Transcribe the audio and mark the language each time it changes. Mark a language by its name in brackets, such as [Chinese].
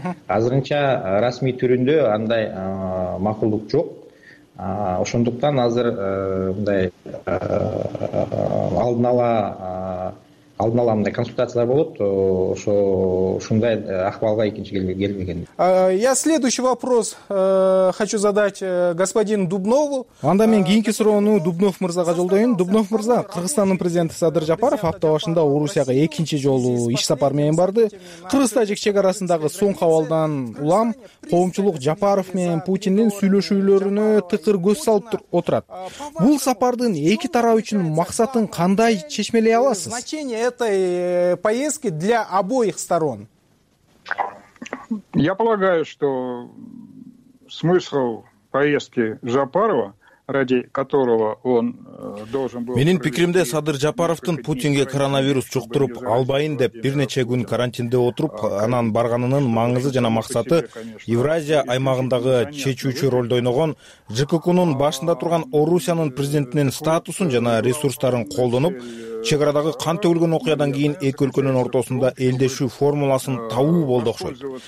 [Kyrgyz] Азырынча расмий түрүндө андай макулдук жок. Ошондуктан азыр мындай алдын ала мындай консультациялар болот. Ошо ушундай акыбалга экинчи келбеген. [Russian] Я следующий вопрос хочу задать господину Дубнову. [Kyrgyz] Анда мен кийинки суроону Дубнов мырзага жолдойюн. Дубнов мырза, Кыргызстандын президенти Садыр Жапаров апта башында Орусияга экинчи жолу иш сапар менен барды. Кыргыз-Тажик чек арасындагы соңку абалдан улам коомчулук Жапаров менен Путиндин сүйлөшүүлөрүнө тыкыр көз салып отурат. Бул сапардын эки тарап үчүн максатын кандай чечмелей аласыз? [Russian] Этой поездки для обоих сторон? Я полагаю, что смысл поездки Жапарова, ради которого он должен был... [Kyrgyz] Менин пикиримде Садыр Жапаровдун Путинге коронавирус жуктуруп албайын деп бир нече күн карантинде отуруп анан барганынын маңызы жана максаты Евразия аймагындагы чечүүчү ролду ойногон ЖККнын башында турган Орусиянын президентинин статусун жана ресурстарын колдонуп чек арадагы кан төгүлгөн окуядан кийин эки өлкөнүн ортосунда элдешүү формуласын табуу болду окшойт.